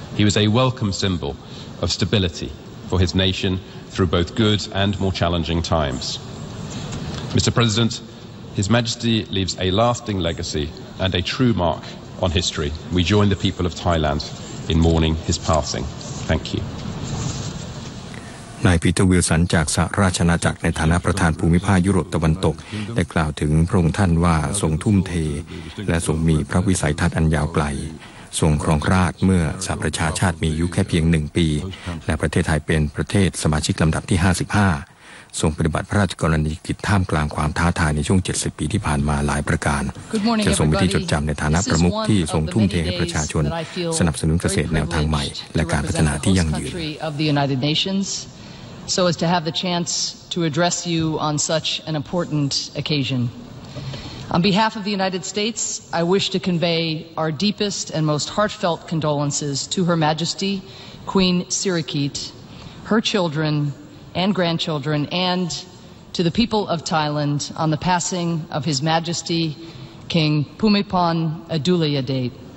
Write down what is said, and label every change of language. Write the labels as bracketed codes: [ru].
[en] He was a welcome symbol of stability for his nation,through both good and more challenging times. Mr. President, His Majesty leaves a lasting legacy and a true mark on history. We join the people of Thailand in mourning his passing. Thank you. [th] นายปีเตอร์วิลสันจากสหราชอาณาจักรในฐานะประธานภูมิภาคยุโรปตะวันตกได้กล่าวถึงพระองค์ท่านว่าทรงทุ่มเทและทรงมีพระวิสัยทัศน์อันยาวไกลทรงครองราชเมื่อสหประชาชาติมีอายุแค่เพียง1ปีและประเทศไทยเป็นประเทศสมาชิกลำดับที่55ทรงปฏิบัติพระราชกรณียกิจท่ามกลางความท้าทายในช่วง70ปีที่ผ่านมาหลายประการจะทรงเป็นที่จดจำในฐานะประมุขที่ทรงทุ่มเทให้ประชาชนสนับสนุนเกษตรแนวทางใหม่และการพัฒนาที่ยั่งยืน [en] So as to have the chance to address you on such an important occasionOn behalf of the United States, I wish to convey our deepest and most heartfelt condolences to Her Majesty Queen Sirikit, her children and grandchildren, and to the people of Thailand on the passing of His Majesty King Bhumibol Adulyadej.